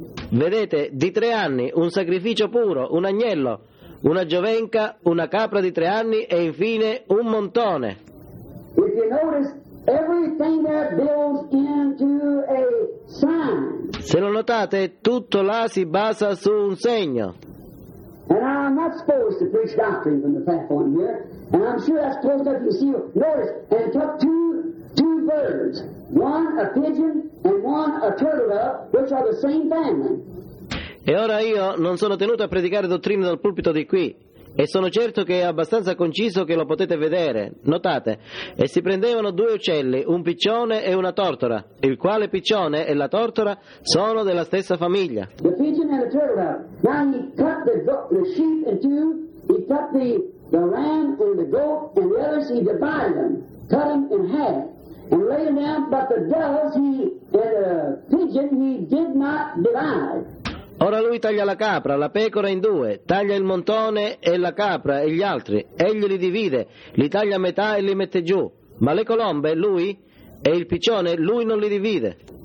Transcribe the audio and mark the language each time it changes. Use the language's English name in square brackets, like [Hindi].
[Italian] Vedete, di 3 anni, un sacrificio puro, un agnello, una giovenca, una capra di 3 anni e infine un montone. [English] If you notice, everything that builds into a sign. [Italian] Se lo notate, tutto là si basa su un segno. [English] And I'm not supposed to preach doctrine from the platform here. And I'm sure that's close enough to see you. Notice, and took two birds, one a pigeon and one a turtle dove, which are the same family. [Italian] E ora io non sono tenuto a predicare dottrine dal pulpito di qui, e sono certo che è abbastanza conciso che lo potete vedere. Notate, e si prendevano 2 uccelli, un piccione e una tortora, il quale piccione e la tortora sono della stessa famiglia. [English] The pigeon and the turtle dove. Now he cut the sheep in two, he cut the ram and the goat and the others, he divided them, cut them in half. And laid them down, but the doves he and the pigeon he did not divide. [Italian] Ora lui taglia la capra, la pecora in due, taglia il montone e la capra e gli altri, egli li divide, li taglia a metà e li mette giù, ma le colombe, lui, e il piccione, lui non li divide.